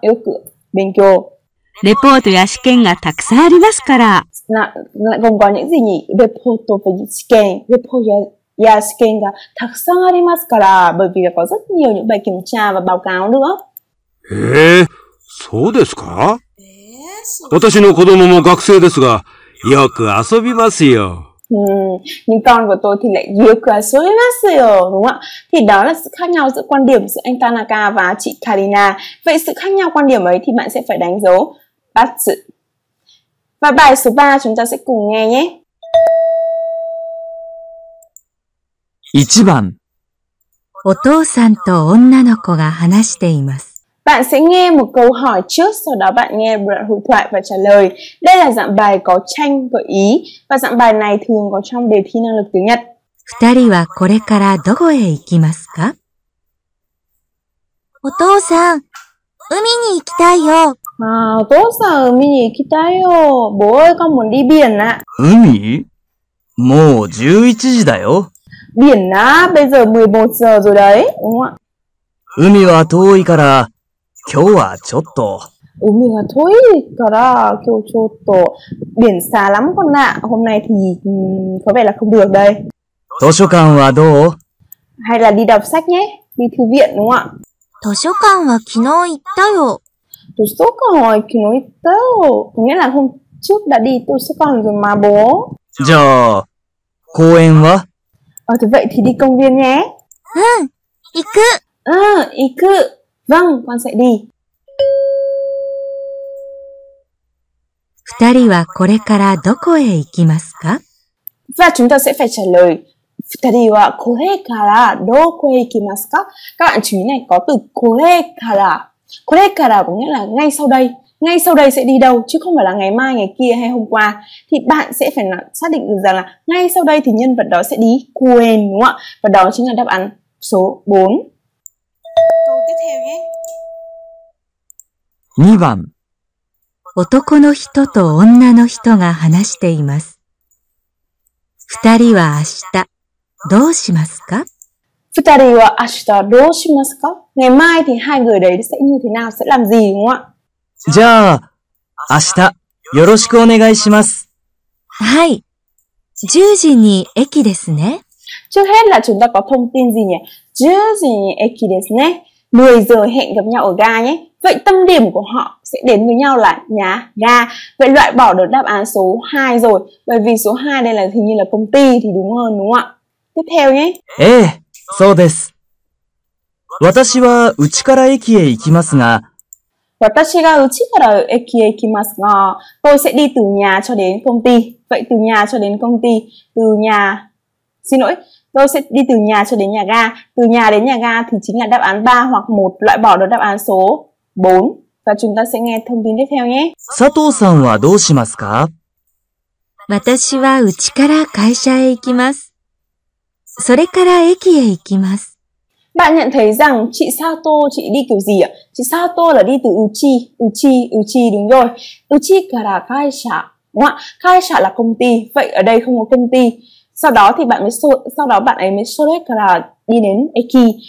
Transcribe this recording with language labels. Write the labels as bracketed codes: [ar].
[ja] Yoku benkyou. Report ya shiken ga takusan arimasu kara. [vi] Lại gồm có những gì nhỉ? Report và shiken. [ja] Report ya shiken ga takusan arimasu kara. [vi] Bởi vì có rất nhiều những bài kiểm tra và báo cáo nữa. [ja] そうですか? 私の子供も学生ですが、よく遊びますよ。 [vi] Nhưng con của tôi thì lại yêu cửa số với bác sư, đúng không ạ? Thì đó là sự khác nhau giữa quan điểm giữa anh Tanaka và chị Karina. Vậy sự khác nhau quan điểm ấy thì bạn sẽ phải đánh dấu bát sự. Và bài số 3 chúng ta sẽ cùng nghe nhé. [ja] 1 番お父さんと女の子が話しています。 [vi] Bạn sẽ nghe một câu hỏi trước, sau đó bạn nghe đoạn hội thoại và trả lời. Đây là dạng bài có tranh gợi ý và dạng bài này thường có trong đề thi năng lực tiếng Nhật. [ja] 二人はこれからどこへ行きますか? お父さん、海に行きたいよ。あ、お父さん、海に行きたいよ。 [vi] Bố ơi, con muốn đi biển ạ. [ja] 海?もう11時だよ。 [vi] Biển ạ, bây giờ 11 giờ rồi đấy. Đúng không ạ? [ja] 海は遠いから今日はちょっと。海が遠いから今日ちょっと。 [vi] biển xa lắm con ạ. Hôm nay thì có vẻ là không được đây. [ja] 図書館はどう? [vi] Hay là đi đọc sách nhé. Đi thư viện đúng không ạ? [ja] 図書館は昨日行ったよ。図書館は昨日行ったよ。 [vi] Nghĩa là hôm trước đã đi 図書館 rồi mà bố. [ja] じゃあ、公園は? [vi] Thì vậy thì đi công viên nhé. [ja] うん、行く。うん、行く。 [vi] Vâng, con sẽ đi. [ja] 2人はこれからどこへ行きますか? [vi] Và chúng ta sẽ phải trả lời [ja] 2人はこれからどこへ行きますか? [vi] Các bạn chú ý này, có từ これから. これから có nghĩa là ngay sau đây. Ngay sau đây sẽ đi đâu, chứ không phải là ngày mai, ngày kia hay hôm qua. Thì bạn sẽ phải xác định được rằng là ngay sau đây thì nhân vật đó sẽ đi quên, đúng không ạ? Và đó chính là đáp án số 4. tiếp theo nhé. [ja] 2 番男の人と女の人が話しています。二人は明日どうしますか？二人は明日どうしますか？ [vi] ngày mai thì hai người đấy sẽ như thế nào sẽ làm gì đúng không ạ？ [ja] じゃあ明日よろしくお願いします。はい。10時に駅ですね。 [vi] Trước hết là chúng ta có thông tin gì nhỉ？ [ja] 10 時に駅ですね。 [vi] 10 giờ hẹn gặp nhau ở ga nhé。 Vậy tâm điểm của họ sẽ đến với nhau là nhà ga. Vậy loại bỏ được đáp án số 2 rồi. Bởi vì số 2 đây là hình như là công ty thì đúng hơn đúng không ạ? Tiếp theo nhé. [ja] Ê, そうです。私はうちから駅へ行きますが。私がうちから駅へ行きますが。 [vi] Tôi sẽ đi từ nhà cho đến công ty. Vậy từ nhà cho đến công ty. Từ nhà... Xin lỗi. Tôi sẽ đi từ nhà cho đến nhà ga. Từ nhà đến nhà ga thì chính là đáp án 3 hoặc 1, loại bỏ được đáp án số 4. Và chúng ta sẽ nghe thông tin tiếp theo nhé. [ja] Sato-san là どうしますか? 私はうちから会社へ行きます。それから駅へ行きます。 [vi] Bạn nhận thấy rằng chị Sato, chị đi kiểu gì ạ? Chị Sato là đi từ uchi, uchi, uchi, đúng rồi. [ja] Uchi から会社, [vi] đúng không ạ? 会社 là công ty, vậy ở đây không có công ty. Sau đó thì bạn mới sau đó bạn ấy mới sorekara đi đến eki.